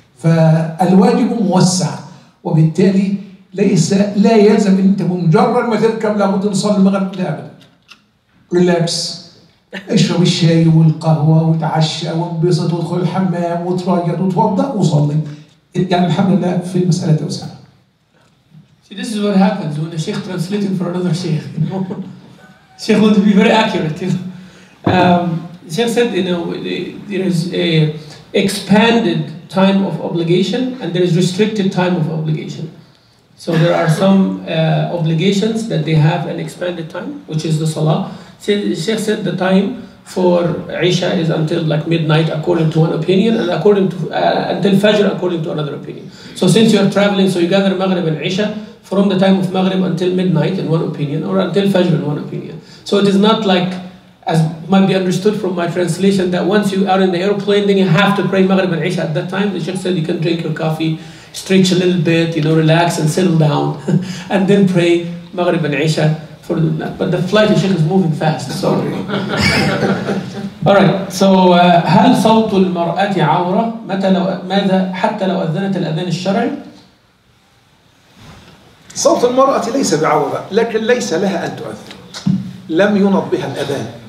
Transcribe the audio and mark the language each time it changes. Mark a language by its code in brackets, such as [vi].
[ar] فالواجب موسع، وبالتالي ليس لا يلزم أنت بمجرد ما تركب لابد أن تصلي المغرب، لا أبدا. ريلاكس، اشرب الشاي والقهوة وتعشى وانبسط وادخل الحمام وتريض وتوضأ وصلي، يعني الحمد لله في المسألة توسع. [en] This is what happens when a sheikh translating for another sheikh. Sheikh would be very accurate. You know? Sheikh said, you know, there is a expanded time of obligation and there is restricted time of obligation. So there are some obligations that they have an expanded time, which is the salah. Sheikh said the time for Isha is until like midnight according to one opinion, and according to until Fajr according to another opinion. So since you are traveling, so you gather Maghrib and Isha from the time of Maghrib until midnight in one opinion, or until Fajr in one opinion. So it is not like, as might be understood from my translation, that once you are in the airplane, then you have to pray Maghrib and Isha at that time. The Sheikh said you can drink your coffee, stretch a little bit, you know, relax and settle down, and then pray Maghrib and Isha for the night. But the flight, the Sheikh is moving fast, so. All right, so, [ar] هل صوت المرأة عورة ماذا حتى لو أذنت الأذان الشرعي؟ صوت المرأة ليس بعورة، لكن ليس لها أن تؤذن، لم ينط بها الأذان.